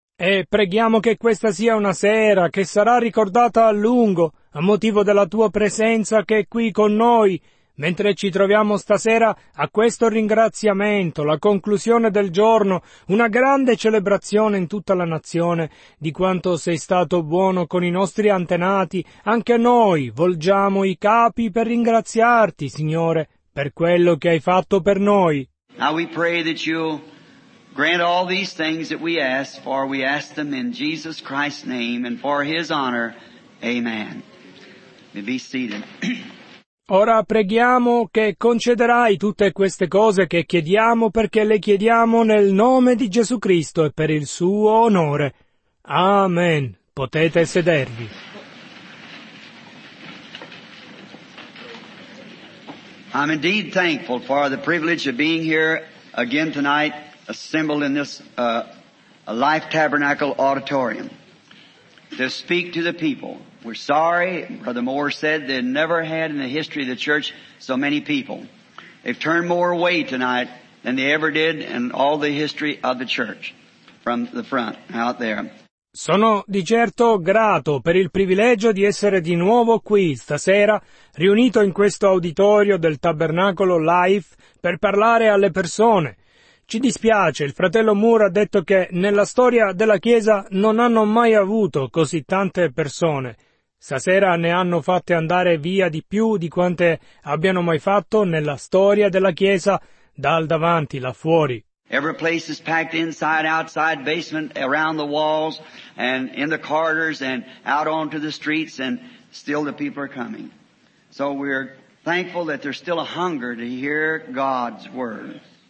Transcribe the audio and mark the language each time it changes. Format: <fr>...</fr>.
<it>E preghiamo che questa sia una sera che sarà ricordata a lungo, a motivo della Tua presenza che è qui con noi, Mentre ci troviamo stasera a questo ringraziamento, la conclusione del giorno, una grande celebrazione in tutta la nazione di quanto sei stato buono con i nostri antenati, anche noi volgiamo i capi per ringraziarti, Signore, per quello che hai fatto per noi.</it> <en>Now we pray that you grant all these things that we ask, for we ask them in Jesus Christ's name and for His honor. Amen. May be seated.</en> <it>Ora preghiamo che concederai tutte queste cose che chiediamo perché le chiediamo nel nome di Gesù Cristo e per il suo onore. Amen. Potete sedervi.</it> <en>I'm indeed thankful for the privilege of being here again tonight, assembled in this Life Tabernacle Auditorium, to speak to the people. We're sorry, Brother Moore said, they never had in the history of the church so many people. They've turned more away tonight than they ever did in all the history of the church from the front out there.</en> <it>Sono di certo grato per il privilegio di essere di nuovo qui stasera, riunito in questo auditorio del Tabernacolo Life per parlare alle persone. Ci dispiace, il fratello Moore ha detto che nella storia della Chiesa non hanno mai avuto così tante persone. Stasera ne hanno fatte andare via di più di quante abbiano mai fatto nella storia della Chiesa, dal davanti, là fuori.</it> <en>Every place is packed inside, outside, basement, around the walls, and in the corridors, and out onto the streets, and still the people are coming. So we're thankful that there's still a hunger to hear God's word.</en>